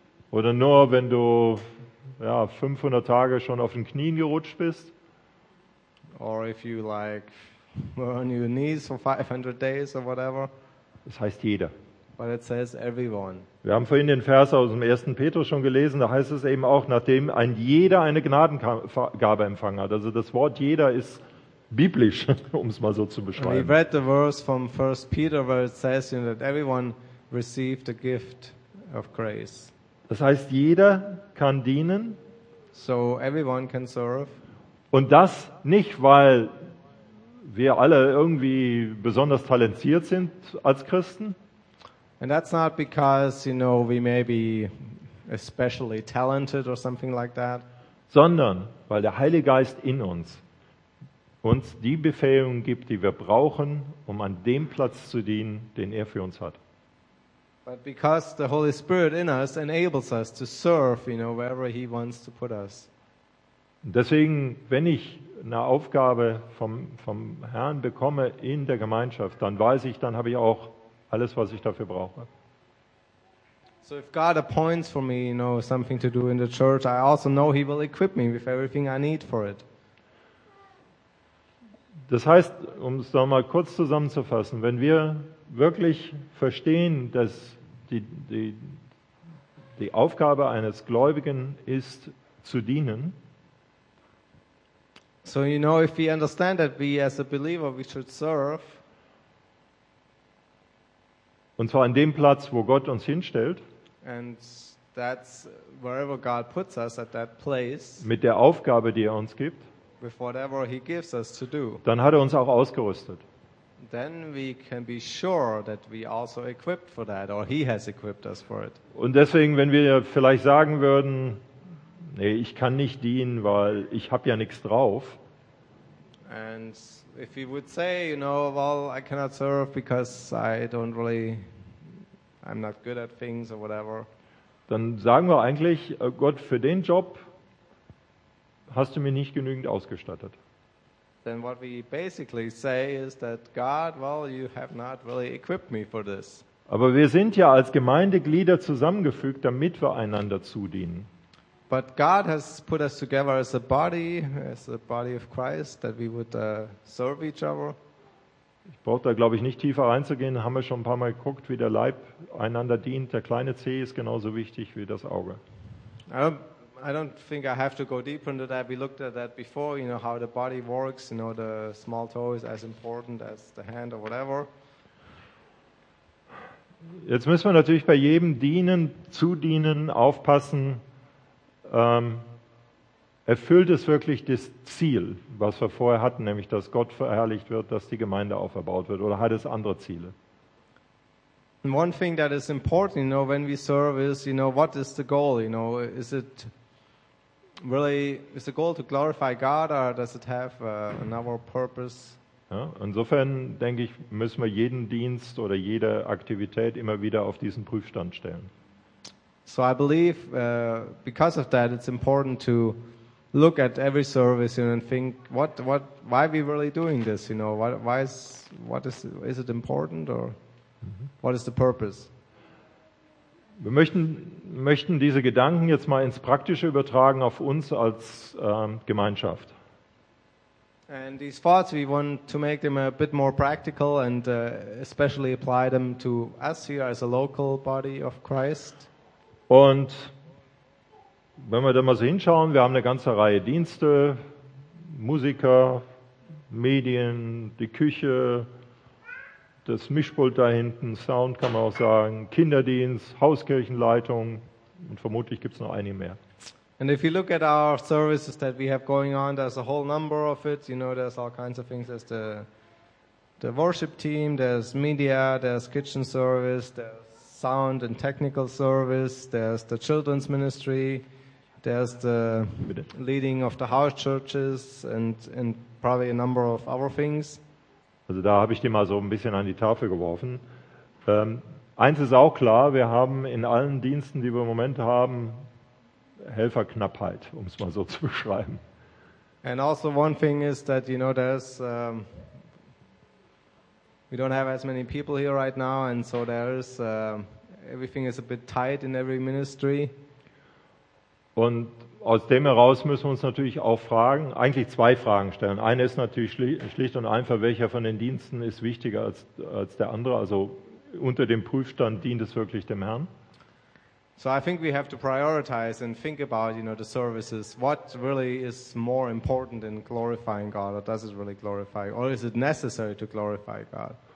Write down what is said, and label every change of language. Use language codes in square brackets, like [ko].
[de] Oder nur wenn du 500 Tage schon auf den Knien gerutscht bist. [en] Or if you like were on your knees for 500 days or whatever. [de] Das heißt jeder. [en] But it says everyone. [de] Wir haben vorhin den Vers aus dem 1. Petrus schon gelesen, da heißt es eben auch, nachdem ein jeder eine Gnadengabe empfangen hat. Also das Wort jeder ist biblisch, um es mal so zu beschreiben. [en] We read the verse from 1. Peter where it says, you know, that everyone received a gift of grace. [de] Das heißt, jeder kann dienen. [en] So everyone can serve. [de] Und das nicht, weil wir alle irgendwie besonders talentiert sind als Christen. [en] And that's not because, you know, we may be especially talented or something like that. [de] Sondern weil der Heilige Geist in uns die Befähigung gibt, die wir brauchen, um an dem Platz zu dienen, den er für uns hat. [en] But because the Holy Spirit in us enables us to serve, you know, wherever He wants to put us. [de] Deswegen, wenn ich eine Aufgabe vom Herrn bekomme in der Gemeinschaft, dann weiß ich, dann habe ich auch alles, was ich dafür brauche. [en] So if God appoints for me, you know, something to do in the church, I also know He will equip me with everything I need for it. [de] Das heißt, um es noch mal kurz zusammenzufassen, wenn wir wirklich verstehen, dass die Aufgabe eines Gläubigen ist, zu dienen. [en] So, you know, if we understand that we as a believer we should serve, [de] Und zwar an dem Platz, wo Gott uns hinstellt. [en] And that's wherever God puts us, at that place. [de] Mit der Aufgabe, die er uns gibt. [en] With whatever he gives us to do. [de] Dann hat er uns auch ausgerüstet. [en] Then we can be sure that we also equipped for that, or he has equipped us for it. [de] Und deswegen, wenn wir vielleicht sagen würden, nee, ich kann nicht dienen, weil ich habe ja nichts drauf. [en] And if we would say, you know, well, I cannot serve because I don't really, I'm not good at things or whatever. [de] Dann sagen wir eigentlich, Gott, für den Job hast du mir nicht genügend ausgestattet. [en] Then what we basically say is that God, well, you have not really equipped me for this. [de] Aber wir sind ja als Gemeindeglieder zusammengefügt, damit wir einander zudienen. [en] But God has put us together as a body of Christ, that we would serve each other. [de] Ich brauche da, glaube ich, nicht tiefer reinzugehen. Haben wir schon ein paar Mal geguckt, wie der Leib einander dient. Der kleine Zeh ist genauso wichtig wie das Auge. [en] I don't think I have to go deeper into that. We looked at that before, you know, how the body works, you know, the small toe is as important as the hand or whatever. [de] Jetzt müssen wir natürlich bei jedem dienen, zudienen, aufpassen, erfüllt es wirklich das Ziel, was wir vorher hatten, nämlich dass Gott verherrlicht wird, dass die Gemeinde auferbaut wird, oder hat es andere Ziele? [en] And one thing that is important, you know, when we serve is, you know, what is the goal, you know, is it really, is the goal to glorify God, or does it have another purpose? [de] Ja, insofern denke ich, müssen wir jeden Dienst oder jede Aktivität immer wieder auf diesen Prüfstand stellen. [en] So I believe, because of that, it's important to look at every service, you know, and think, why are we really doing this? You know, is it important, or what is the purpose? [de] Wir möchten diese Gedanken jetzt mal ins Praktische übertragen auf uns als Gemeinschaft. [en] And these thoughts, we want to make them a bit more practical and especially apply them to us here as a local body of Christ. [de] Und wenn wir da mal so hinschauen, wir haben eine ganze Reihe Dienste, Musiker, Medien, die Küche, das Mischpult da hinten, Sound kann man auch sagen, Kinderdienst, Hauskirchenleitung und vermutlich gibt es noch einige mehr. [en] And if you look at our services that we have going on, there's a whole number of it, you know, there's all kinds of things, there's the worship team, there's media, there's kitchen service, there's sound and technical service, there's the children's ministry, there's the leading of the house churches and probably a number of other things. [de] Also da habe ich die mal so ein bisschen an die Tafel geworfen. Eins ist auch klar, wir haben in allen Diensten, die wir im Moment haben, Helferknappheit, um es mal so zu beschreiben. [en] And also one thing is that, you know, there's we don't have as many people here right now, and so there is everything is a bit tight in every ministry. [de] Und aus dem heraus müssen wir uns natürlich auch fragen, eigentlich zwei Fragen stellen. Eine ist natürlich schlicht und einfach, welcher von den Diensten ist wichtiger als der andere? Also unter dem Prüfstand, dient es wirklich dem Herrn? [en] So I think we have to prioritize and think about, you know, the services. What really is more important in glorifying God, or does it really glorify, or is it necessary to glorify God?